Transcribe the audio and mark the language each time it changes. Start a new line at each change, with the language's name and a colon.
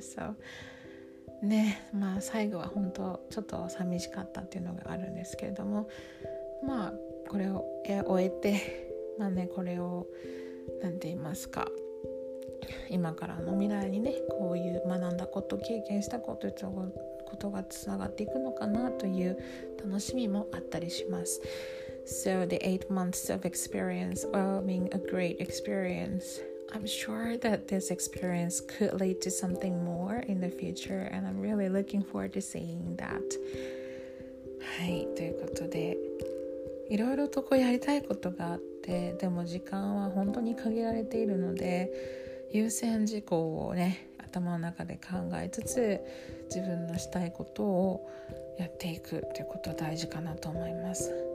Japanese: So, ね、まあ最後は本当ちょっと寂しかったっていうのがあるんですけれども、まあこれを終えて、まあねこれをなんて言いますか、今からの未来にねこういう学んだこと経験したことということがつながっていくのかなという楽しみもあったりします。
English: So the 8 months of experience will mean a great experience. I'm sure that this experience could lead to something more in the future and I'm really looking forward to seeing that.
Japanese: はい、ということでいろいろとこうやりたいことがあって、でも時間は本当に限られているので優先事項をね頭の中で考えつつ自分のしたいことをやっていくっていうことは大事かなと思います。